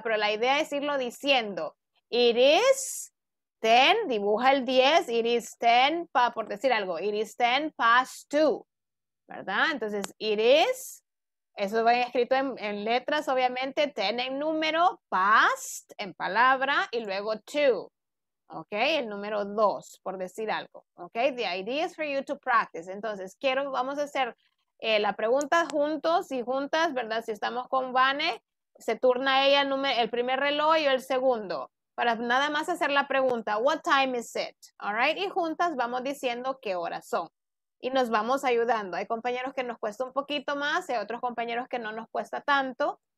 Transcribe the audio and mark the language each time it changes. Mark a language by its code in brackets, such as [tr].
[es] Pero la idea es irlo diciendo. [en] It is 10, [es] dibuja el 10, [en] it is 10, [es] por decir algo, [en] it is 10 past 2, [es] ¿verdad? Entonces, [en] it is, [es] eso va escrito en letras, obviamente, 10 en número, past en palabra, y luego 2. Ok, el número 2, por decir algo. [en] Ok, the idea is for you to practice. [es] Entonces, quiero, vamos a hacer la pregunta juntos y juntas, ¿verdad? Si estamos con Vane, se turna ella el primer reloj y el segundo. Para nada más hacer la pregunta, [en] what time is it? All right, [es] y juntas vamos diciendo qué horas son. Y nos vamos ayudando. Hay compañeros que nos cuesta un poquito más, hay otros compañeros que no nos cuesta tanto.